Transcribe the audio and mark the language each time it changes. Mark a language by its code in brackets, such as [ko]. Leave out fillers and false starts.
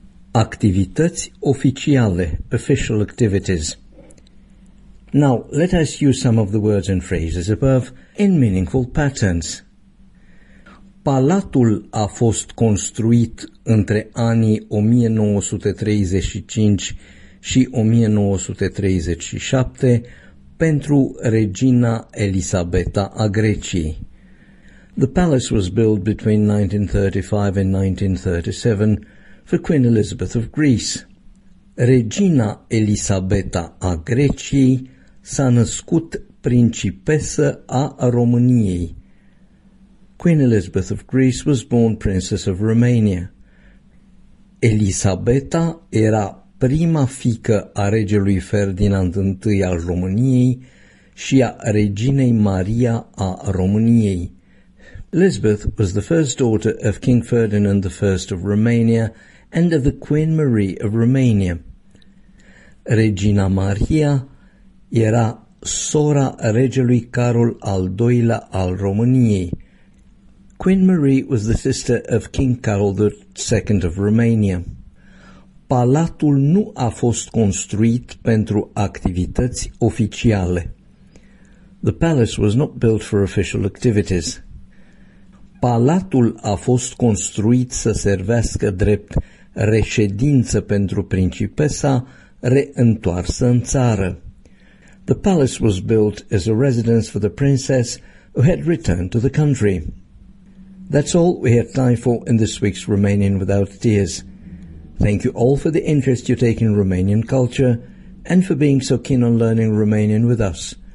[ro] Activități oficiale, [en] official activities. Now, let us use some of the words and phrases above in meaningful patterns. [ro] Palatul a fost construit între anii 1935 și 1937 pentru regina Elisabeta a Greciei. [en] The palace was built between 1935 and 1937 for Queen Elizabeth of Greece. [ro] Regina Elisabeta a Greciei s-a născut principesă a României. [en] Queen Elizabeth of Greece was born Princess of Romania. [ro] Elisabeta era prima fică a regelui Ferdinand I al României și a reginei Maria a României. [en] Elizabeth was the first daughter of King Ferdinand I of Romania and of the Queen Marie of Romania. [ro] Regina Maria era sora regelui Carol al doilea al României. [en] Queen Marie was the sister of King Carol II of Romania. [ro] Palatul nu a fost construit pentru activități oficiale. [en] The palace was not built for official activities. [ro] Palatul a fost construit să servească drept reședință pentru principesa reîntoarsă în țară. [en] The palace was built as a residence for the princess who had returned to the country. That's all we have time for in this week's Romanian Without Tears. Thank you all for the interest you take in Romanian culture and for being so keen on learning Romanian with us.